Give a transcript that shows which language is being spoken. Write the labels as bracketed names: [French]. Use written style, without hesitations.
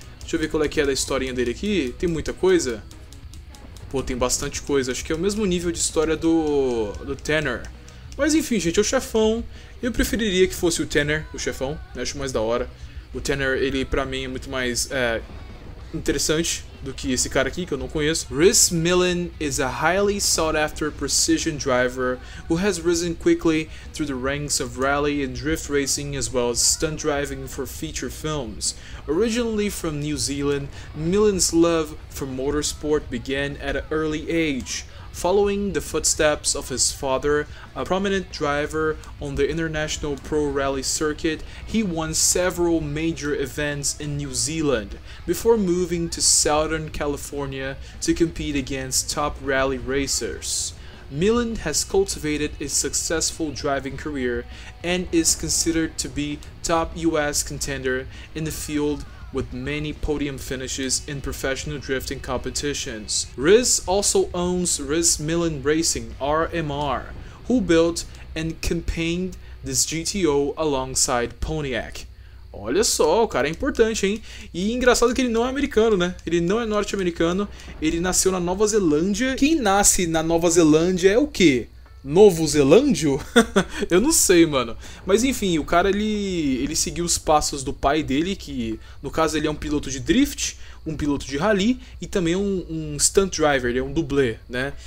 [Portuguese] Deixa eu ver qual é que é da historinha dele aqui. Tem muita coisa? Pô, tem bastante coisa. Acho que é o mesmo nível de história do Tanner. Mas enfim, gente, é o chefão. Eu preferiria que fosse o Tanner, o chefão. Eu acho mais da hora. O Tanner, ele pra mim é muito mais interessante do que esse cara aqui que eu não conheço. [English] Rhys Millen is a highly sought after precision driver who has risen quickly through the ranks of rally and drift racing as well as stunt driving for feature films. Originally from New Zealand, Millen's love for motorsport began at an early age, following the footsteps of his father, a prominent driver on the international pro rally circuit. He won several major events in New Zealand before moving to Southern California to compete against top rally racers. Millen has cultivated a successful driving career and is considered to be top US contender in the field with many podium finishes in professional drifting competitions. Rhys also owns Rhys Millen Racing, RMR, who built and campaigned this GTO alongside Pontiac. [Portuguese] Olha só, o cara é importante, hein? E engraçado que ele não é americano, né? Ele não é norte-americano, ele nasceu na Nova Zelândia. Quem nasce na Nova Zelândia é o quê? Novo Zelândio? Eu não sei, mano. Mas enfim, o cara, ele seguiu os passos do pai dele, que no caso ele é um piloto de drift, um piloto de rally e também um stunt driver, ele é um dublê, né?